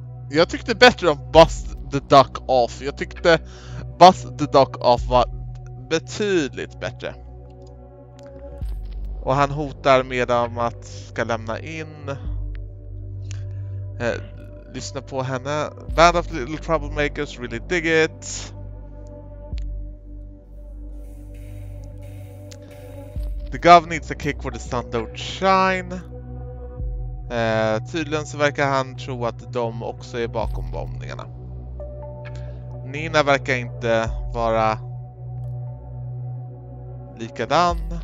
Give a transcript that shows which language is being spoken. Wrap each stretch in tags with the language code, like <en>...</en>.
<sv>Jag tyckte bättre om Bust the Duck Off. Jag tyckte Bust the Duck Off var betydligt bättre. Och han hotar med att ska lämna in. Lyssna på henne.</sv> <en>Band of Little Troublemakers, really dig it. The Gov needs a kick for the sun don't shine.</en> <sv>Tydligen så verkar han tro att de också är bakom bombningarna. Nina verkar inte vara likadan.</sv>